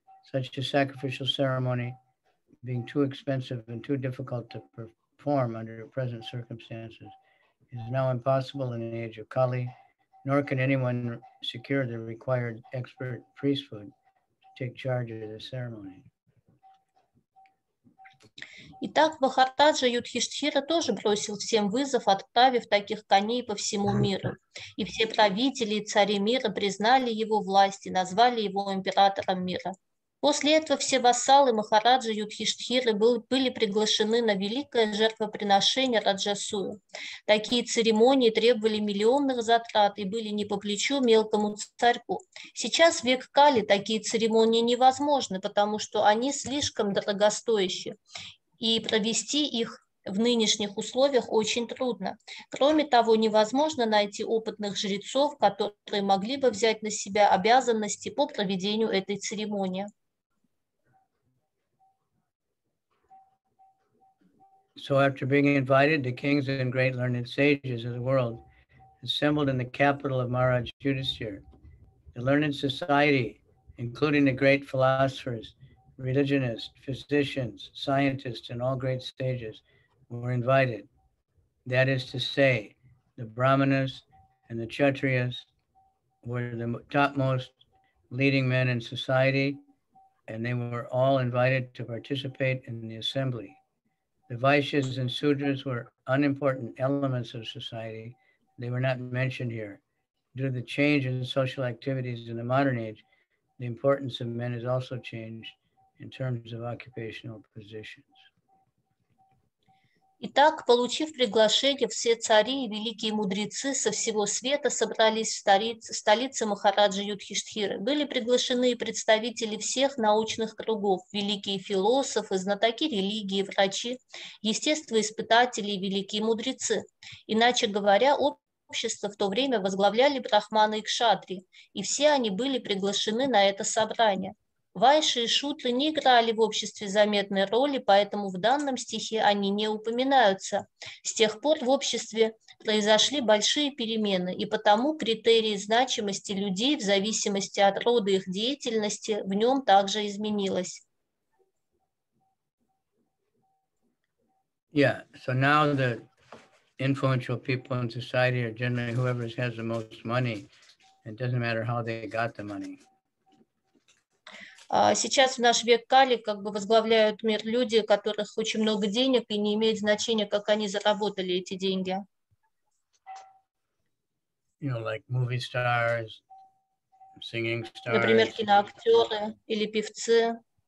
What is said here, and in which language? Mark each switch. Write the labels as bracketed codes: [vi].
[en] Such a sacrificial ceremony being too expensive and too difficult to perform under present circumstances is now impossible in the age of Kali, nor can anyone secure the required expert priesthood to take charge of the ceremony. [ru] Итак, Махараджа Юдхиштхира тоже бросил всем вызов, отправив таких коней по всему миру. И все правители и цари мира признали его власть и назвали его императором мира. После этого все вассалы Махараджа Юдхиштхиры были приглашены на великое жертвоприношение Раджасую. Такие церемонии требовали миллионных затрат и были не по плечу мелкому царьку. Сейчас в век Кали такие церемонии невозможны, потому что они слишком дорогостоящие, и провести их в нынешних условиях очень трудно. Кроме того, невозможно найти опытных жрецов, которые могли бы взять на себя обязанности по проведению этой церемонии. [en] So after being invited, the kings and great learned sages of the world assembled in the capital of Maharaj Yudhisthira. The learned society, including the great philosophers, religionists, physicians, scientists, and all great sages were invited. That is to say, the brahmanas and the kshatriyas were the topmost leading men in society, and they were all invited to participate in the assembly. The Vaishyas and Sudras were unimportant elements of society. They were not mentioned here. Due to the change in social activities in the modern age, the importance of men has also changed in terms of occupational positions. [ru] Итак, получив приглашение, все цари и великие мудрецы со всего света собрались в столице Махараджи Юдхиштхиры. Были приглашены представители всех научных кругов, великие философы, знатоки религии, врачи, естествоиспытатели и великие мудрецы. Иначе говоря, общество в то время возглавляли брахманы и кшатри, и все они были приглашены на это собрание. Вайши и шутры не играли в обществе заметной роли, поэтому в данном стихе они не упоминаются. С тех пор в обществе произошли большие перемены, и потому критерии значимости людей в зависимости от рода их деятельности в нем также изменилось. [en] Yeah, so now the influential people in society are generally whoever has the most money. It doesn't matter how they got the money. [ru] Сейчас в наш век Кали как бы возглавляют мир люди, у которых очень много денег, и не имеет значения, как они заработали эти деньги. [en] You know, like movie stars, singing stars, [ru] например, киноактеры или певцы.